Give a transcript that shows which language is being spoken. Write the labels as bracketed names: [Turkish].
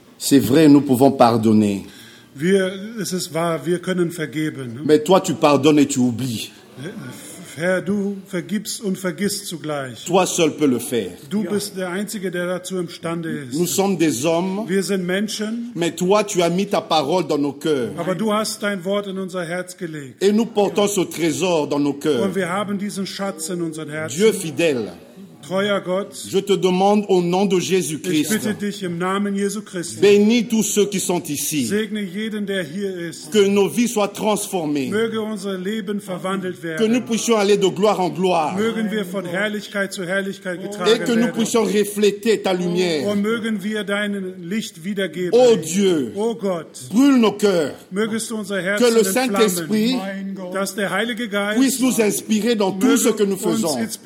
[French] C'est vrai, nous pouvons pardonner. [German] Wir, es ist wahr, wir können vergeben. [French] Mais toi, tu pardonnes et tu oublies. [German] Herr, du vergibst und vergisst zugleich. [French] Toi seul peux le faire. [German] Du bist der Einzige, der dazu imstande ist. [French] Nous sommes des hommes. [German] Wir sind Menschen. [French] Mais toi, tu as mis ta parole dans nos cœurs. [German] Aber du hast dein Wort in unser Herz gelegt. [French] Et nous portons ce trésor dans nos cœurs. [German] Und wir haben diesen Schatz in unseren Herzen. [French] Dieu fidèle. [German] treuer Gott, [French] je te demande au nom de Jésus-Christ, [German] ich bitte dich im Namen Jesu Christi, [French] bénis tous ceux qui sont ici, [German] segne jeden, der hier ist, [French] que nos vies soient transformées, [German] möge unser Leben verwandelt werden, [French] que nous puissions aller de gloire en gloire, [German] mögen wir von Herrlichkeit zu Herrlichkeit getragen werden, [French] et que nous puissions refléter ta lumière, [German] und mögen wir dein Licht wiedergeben, [French] oh Dieu, [German] oh Gott, [French] brûle nos cœurs, [German] mögest du unser Herzen [French] que le Saint-Esprit [German] entflammen, dass der Heilige Geist [French] puisse nous inspirer dans tout ce que nous faisons.